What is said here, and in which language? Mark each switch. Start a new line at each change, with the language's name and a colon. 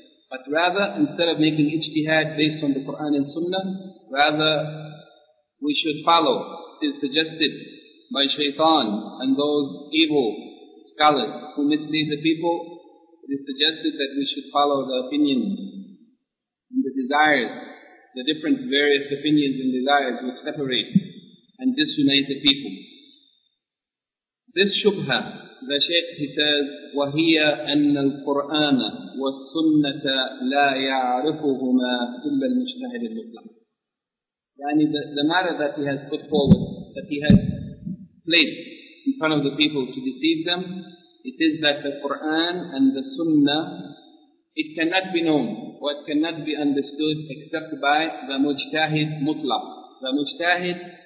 English: But rather, instead of making ijtihad based on the Quran and Sunnah, rather we should follow, it is suggested by shaitan and those evil scholars who mislead the people, it is suggested that we should follow the opinions and the desires, the different various opinions and desires which separate and disunite the people. This shubha, the shaykh, he says,
Arabic: وَهِيَ أَنَّ الْقُرْآنَ وَالسُنَّةَ لَا يَعْرِفُهُمَا إِلَّا الْمُجْتَهِدِ الْمُطْلَقِ.
English: Yani the matter that he has put forward, that he has place in front of the people to deceive them, it is that the Qur'an and the Sunnah, it cannot be known or it cannot be understood except by the mujtahid mutlaq. The mujtahid